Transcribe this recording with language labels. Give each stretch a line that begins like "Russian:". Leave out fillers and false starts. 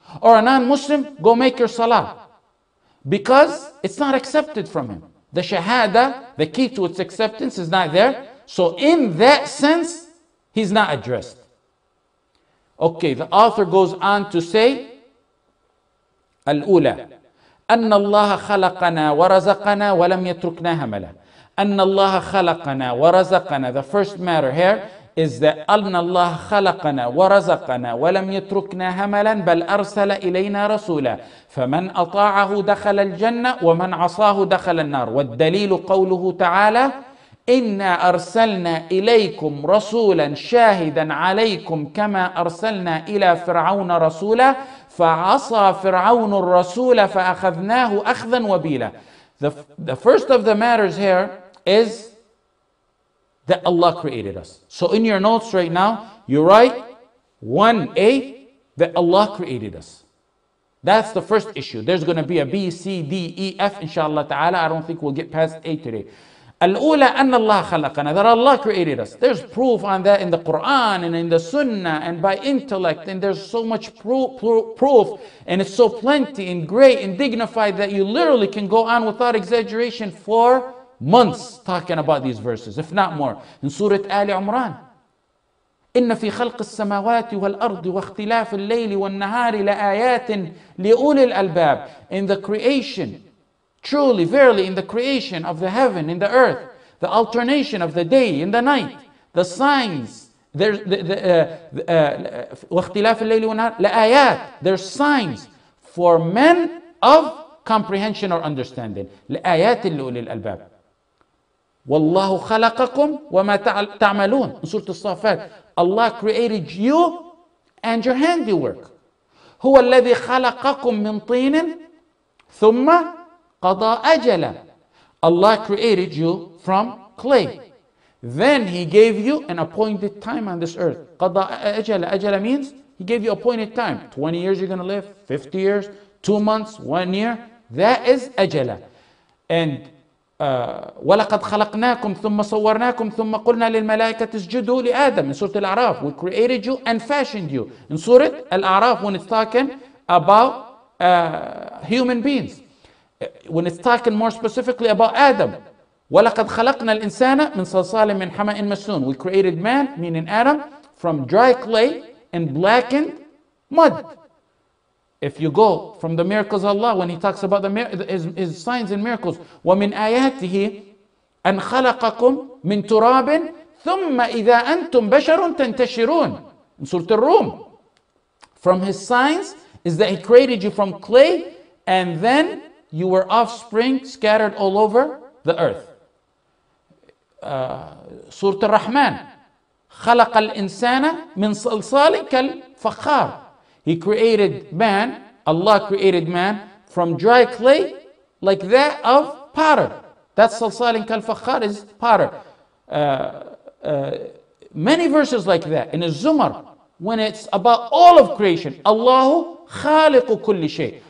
English: Or a non-Muslim, go make your salah. Because it's not accepted from him. The shahada, the key to its acceptance, is not there. So in that sense, he's not addressed. Okay, the author goes on to say, Al-Ula.
Arabic: أن الله خلقنا ورزقنا ولم يتركنا هملا. أن الله خلقنا ورزقنا.
English: The first matter here is that
Arabic: أن الله خلقنا ورزقنا ولم يتركنا هملا بل أرسل إلينا رسولا. فمن أطاعه دخل الجنة ومن عصاه دخل النار. والدليل قوله تعالى إنا أرسلنا إليكم رسولا شاهدا عليكم كما أرسلنا إلى فرعون رسولا فعصى فرعون الرسول فأخذناه أخذا وبيلا.
English: The first of the matters here is that Allah created us. So in your notes right now, you write 1A, that Allah created us. That's the first issue. There's going to be a B, C, D, E, F, inshallah ta'ala. I don't think we'll get past A today.
Arabic: الأولى أن الله خلقنا,
English: that Allah created us. There's proof on that in the Quran and in the Sunnah and by intellect, and there's so much proof and it's so plenty and great and dignified that you literally can go on without exaggeration for months talking about these verses, if not more. In Surah Ali Imran,
Arabic: إن في خلق السماوات والأرض واختلاف الليل والنهار لآيات لأولي الألباب.
English: In the creation, truly, verily, in the creation of the heaven, in the earth, the alternation of the day and the night, the signs,
Arabic: وَاخْتِلَافِ اللَّيْلِ وَالنَّهَارِ لَآيَاتٍ,
English: there's signs for men of comprehension or understanding.
Arabic: لَآيَاتٍ لِأُولِي الْأَلْبَابِ. وَاللَّهُ خَلَقَكُمْ وَمَا تَعْمَلُونَ.
English: In Surah Al-Safat, Allah created you and your handiwork.
Arabic: هُوَ الَّذِي خَلَقَكُمْ مِنْ طِينٍ ثُمَّ قضى أجلا.
English: Allah created you from clay. Then He gave you an appointed time on this earth.
Arabic: قضى أجلا.
English: أجلا means He gave you appointed time. 20 years you're going to live, 50 years, 2 months, 1 year. That is أجلا. And
Arabic: ولقد خلقناكم ثم صورناكم ثم قلنا للملائكة اسجدوا لآدم.
English: In Surah Al-A'raf, we created you and fashioned you. In Surah Al-A'raf, when it's talking about human beings. When it's talking more specifically about Adam,
Arabic: وَلَقَدْ خَلَقْنَا الْإِنسَانَ مِنْ صَلْصَالٍ مِنْ حَمَإٍ مَسْنُونَ.
English: We created man, meaning Adam, from dry clay and blackened mud. If you go from the miracles of Allah, when He talks about his signs and miracles,
Arabic: وَمِنْ آيَاتِهِ أَنْ خَلَقَكُمْ مِنْ تُرَابٍ ثُمَّ إِذَا أَنْتُمْ بَشَرٌ تَنْتَشِرُونَ.
English: In Surah Al-Rum, from His signs is that He created you from clay and then you were offspring scattered all over the earth.
Arabic: Surah Ar-Rahman, خلق الإنسان من صلصال كالفخار.
English: He created man, Allah created man, from dry clay like that of potter. That
Arabic: صلصال كالفخار
English: is potter. Many verses like that in Az-Zumar, when it's about all of creation, Allah
Arabic: خالق كل شيء.